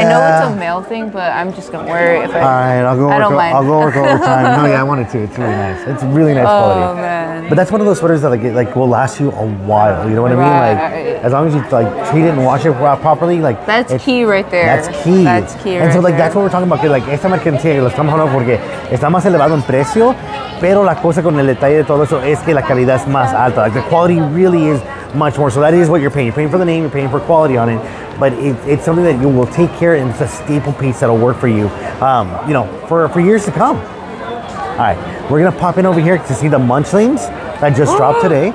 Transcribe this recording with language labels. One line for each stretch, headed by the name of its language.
English: I know it's a male thing, but I'm just going to wear it. I'll go work all the time. No, yeah, I want it too. It's really nice. It's really nice quality. Oh, man. But that's one of those sweaters that like will last you a while. You know what right. I mean? Like, as long as you like treat it and wash it properly. Like, That's key right there. And so like that's what we're talking about.
Spanish: Que, like, esta mercancía, lo estamos hablando porque está más elevado en precio. Pero la cosa con el detalle de todo eso es que la calidad es más alta.
English: Like, the quality really is much more. So that is what you're paying. You're paying for the name, you're paying for quality on it. But it's something that you will take care of, and it's a staple piece that'll work for you, you know, for years to come. All right, we're going to pop in over here to see the munchlings that just dropped today.